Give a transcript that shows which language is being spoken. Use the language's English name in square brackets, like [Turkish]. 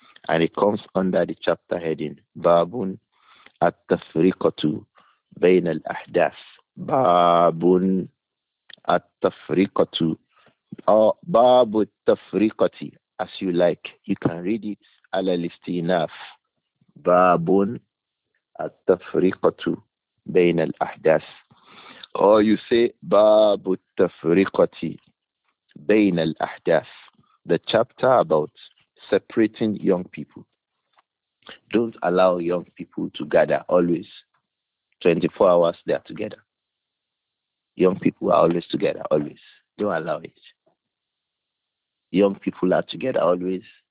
[English] And it comes under the chapter heading [Arabic] Babun at-tafriqatu bayna al-ahdath باب التفرقة. باب التفرقة. [English] As you like, you can read it. [Arabic] على الاستئناف. باب التفرقة بين الأحداث. [English] Or you say [Arabic] باب التفرقة بين الأحداث. [English] The chapter about separating young people. Don't allow young people to gather always. 24 hours they are together. Young people are always together, always. Don't allow it. Young people are together always.